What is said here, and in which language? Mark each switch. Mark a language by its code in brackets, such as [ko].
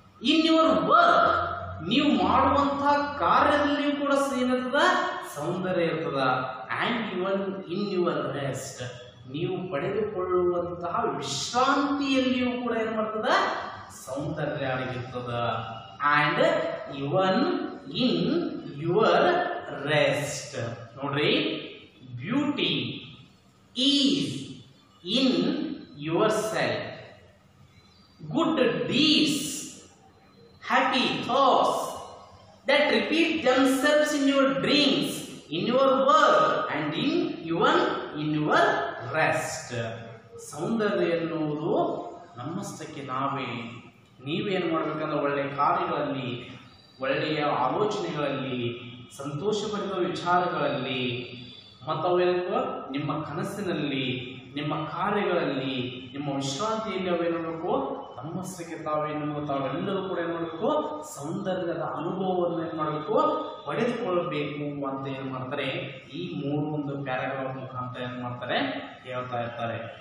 [en] in your work, [kn] ನೀವು ಮಾಡುವಂತಹ ಕಾರ್ಯದಲ್ಲಿಯೂ ಕೂಡ ಏನಿರ್ತದ ಸೌಂದರ್ಯ ಇರ್ತದ. [en] and even in your rest, [kn] ನೀವು ಪಡೆದುಕೊಳ್ಳುವಂತಹ ವಿಶ್ರಾಂತಿಯಲ್ಲಿಯೂ ಕೂಡ ಏನು ಮಾಡ್ತದ ಸೌಂದರ್ಯ ಆಗಿರ್ತದ. [en] And even in your rest, ನೋಡ್ರಿ beauty is in yourself, good deeds happy thoughts that repeat themselves in your dreams, in your work and in even in your rest. [kn] ಸೌಂದರ್ಯ ಎನ್ನುವುದು ನಮ್ಮಷ್ಟಕ್ಕೆ ನಾವೇ. ನೀವೇನು ಮಾಡ್ಬೇಕಂದ್ರೆ ಒಳ್ಳೆ ಕಾರ್ಯಗಳಲ್ಲಿ ಒಳ್ಳೆಯ ಆಲೋಚನೆಗಳಲ್ಲಿ ಸಂತೋಷಭರಿತ ವಿಚಾರಗಳಲ್ಲಿ ಮತ್ತವೇನು ನಿಮ್ಮ ಕನಸಿನಲ್ಲಿ ನಿಮ್ಮ ಕಾರ್ಯಗಳಲ್ಲಿ ನಿಮ್ಮ ವಿಶ್ರಾಂತಿಯಲ್ಲಿ ಅವೇನೋ ನಮ್ಮಸ್ಸಿಗೆ ತಾವೇನೋ ತಾವೆಲ್ಲರೂ ಕೂಡ ಏನು ಮಾಡಬೇಕು ಸೌಂದರ್ಯದ ಅನುಭವವನ್ನು ಏನು ಮಾಡಬೇಕು ಪಡೆದುಕೊಳ್ಳಬೇಕು ಅಂತ ಏನು ಮಾಡ್ತಾರೆ ಈ ಮೂರು ಒಂದು ಪ್ಯಾರಾಗ್ರಾಫ್ ಮುಖಾಂತರ ಏನು ಮಾಡ್ತಾರೆ ಹೇಳ್ತಾ ಇರ್ತಾರೆ.